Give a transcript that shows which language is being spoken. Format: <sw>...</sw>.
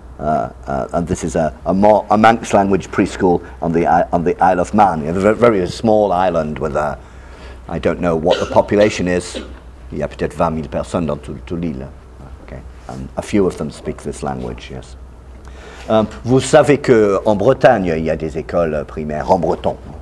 <en>And this is a Manx language preschool on the Isle of Man. It's a very small island with I don't know what the population is.</en> <fr>Il y a peut-être 20,000 personnes dans toute l'île.</fr> <en>Okay. And a few of them speak this language, yes.</en> <fr>Vous savez que en Bretagne, il y a des écoles primaires en breton.</fr>